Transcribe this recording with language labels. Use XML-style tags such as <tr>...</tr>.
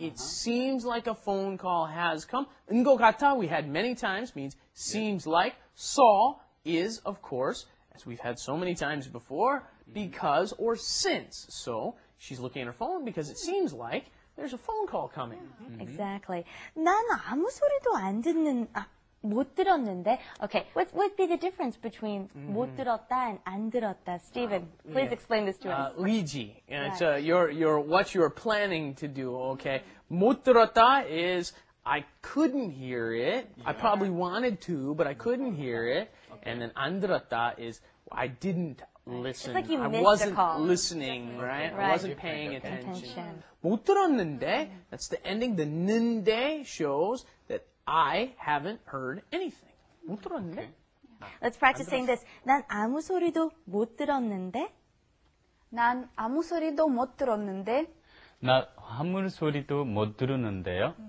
<en>It seems like a phone call has come.</en> <ko>온 것 같아,</ko> <en>we had many times, means seems like. 서 is, of course, as we've had so many times before, because or since. So, she's looking at her phone because it seems like. There's a phone call coming. Yeah. Mm-hmm. Exactly.</en> <ko>난 아무 소리도 안 듣는, 못 들었는데.</ko> <en>Okay, what would be the difference between</en> <ko>못 들었다</ko> <en>and</en> <ko>안 들었다?</ko> <en>Stephen, please explain this to us. Luigi, what you're planning to do, okay?</en> <ko>못 들었다</ko> <en>is I couldn't hear it. Yeah. I probably wanted to, but I couldn't hear it. Okay. And then</en> <ko>안 들었다</ko> <en>is I didn't listen. It's like you missed I wasn't listening, right? I wasn't paying attention.</en> <ko>못 들었는데,</ko> <en>that's the ending. The 는데 shows that I haven't heard anything.</en> <ko>못 들었는데.</ko> <en>Okay. Let's practice saying this.</en> <ko>난 아무 소리도 못 들었는데. 난 아무 소리도 못 들었는데. 나 아무 소리도 못 들었는데요.</ko>